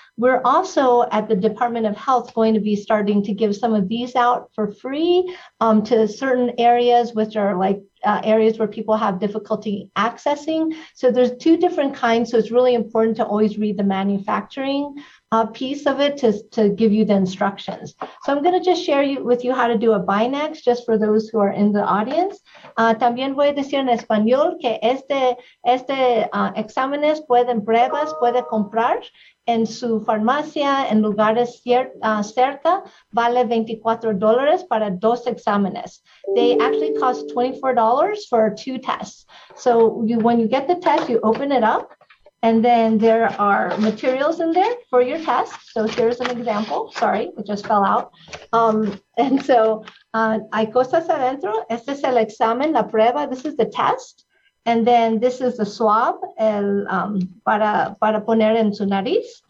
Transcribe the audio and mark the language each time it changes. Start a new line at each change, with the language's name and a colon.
English: We're also at the Department of Health going to be starting to give some of these out for free to certain areas, which are like areas where people have difficulty accessing. So there's two different kinds. So it's really important to always read the manufacturing piece of it to give you the instructions. So I'm going to just share with you how to do a Binax just for those who are in the audience.
Spanish: También voy a decir en español que este exámenes pueden pruebas puede comprar en su farmacia en lugares cerca vale $24 para dos exámenes.
English: They actually cost $24 for two tests. So when you get the test, you open it up. And then there are materials in there for your test. So here's an example. Sorry, it just fell out.
Spanish: Hay cosas adentro. Este es el examen, la prueba.
English: This is the test. And then this is the swab
Spanish: para poner en su nariz.